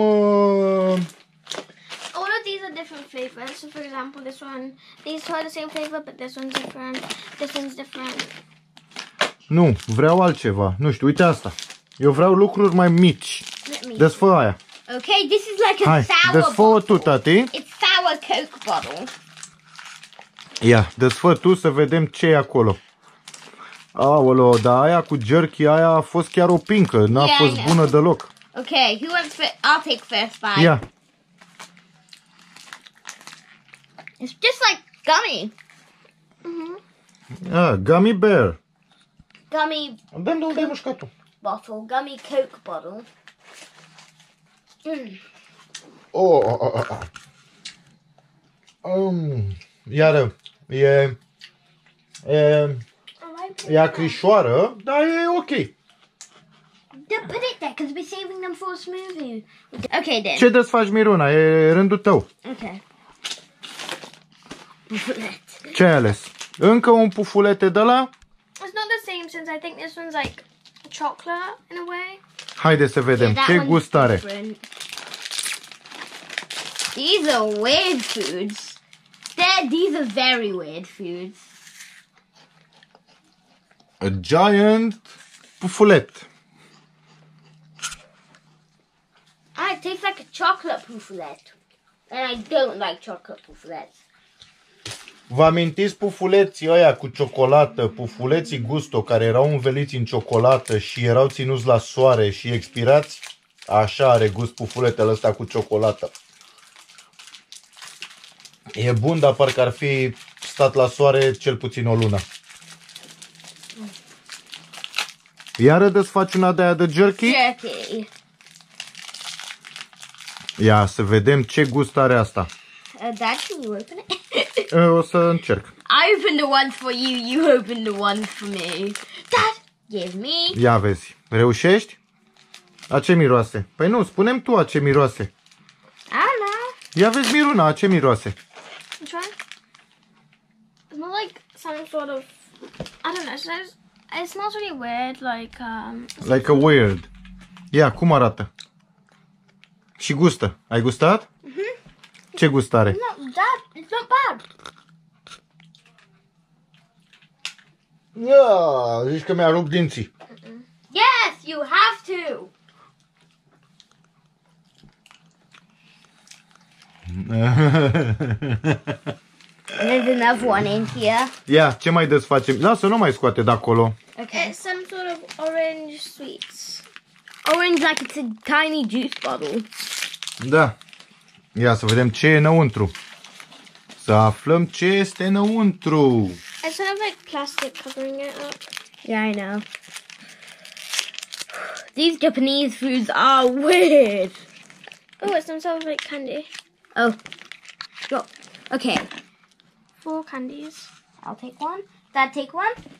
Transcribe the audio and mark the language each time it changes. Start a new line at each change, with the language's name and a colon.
English: All of these are different flavors. So for example, this one, these are the same flavor, but this one's different. This one's different.
Romanian: Nu, vreau altceva. Nu știu, uite asta. Eu vreau lucruri mai mici. Desfă aia.
English: Okay, this is like a
Romanian: Hai,
English: sour.
Romanian: Desfă-o tu, tati.
English: It's sour Coke bottle.
Romanian: Ia, desfă tu să vedem ce e acolo. Aolo, dar aia cu jerky, aia a fost chiar o pincă, n-a fost bună deloc.
English: Ok, who wants first? I'll take first bite.
Romanian: Ia.
English: It's just like gummy. Mm-hmm. Ah, gummy bear. Gummy...
Romanian: Dă-mi de unde ai mușcat-o.
English: Bottle, gummy Coke bottle. Mm. Oh, oh, oh, oh.
Romanian: Iară, e, e, e acrișoară, dar e ok.
English: Da, put it there, because we're saving them for a smoothie. Ok, then.
Romanian: Ce desfaci, Miruna? E rândul tău.
English: Ok.
Romanian: Pufulet. Ce ai ales? Încă un pufulete de la?
English: It's not the same, since I think this one's like chocolate, in a way.
Romanian: Haide să vedem,
English: yeah,
Romanian: ce gust are.
English: These are weird foods. These are very weird foods. A giant pufulet. Ah, it tastes like a chocolate pufulet. And I don't like chocolate pufulets.
Romanian: Vă amintiți pufuleții ăia cu ciocolată, pufuleții gusto, care erau înveliți în ciocolată și erau ținuți la soare și expirați? Așa are gust pufuletele ăsta cu ciocolată. E bun, dar parcă ar fi stat la soare cel puțin o lună. Iară desfaci una de aia de jerky?
English: Jerky.
Romanian: Ia să vedem ce gust are asta.
English: Dad, can you open it?
Romanian: O să încerc.
English: I opened the one for you, you opened the one for me. Dad, give me.
Romanian: Ia vezi, reușești? A ce miroase? Păi nu, spune-mi tu a ce miroase. Ana. Ia vezi, Miruna, a ce miroase?
English: It smells like some sort of, I don't know, it smells really weird, like a weird.
Romanian: Ia, cum arată? Și gustă. Ai gustat? Mm-hmm. Ce gust are?
English: It's not bad.
Romanian: Zici că mi-a rupt dinții.
English: Mm-mm. Yes, you have to. Ha, ha, ha, ha, ha, ha. And there's another one in here. Yeah,
Romanian: ce mai desfacem? Lasă, nu mai scoate de acolo.
English: Okay. It's some sort of orange sweets. Orange, like it's a tiny juice bottle.
Romanian: Da. Ia să vedem ce e înăuntru. Să aflăm ce este înăuntru.
English: I sort of like plastic covering it up. Yeah, I know. These Japanese foods are weird. Oh, it's some sort of like candy. Oh. Go. Okay. Four candies. I'll take one. Dad, take one.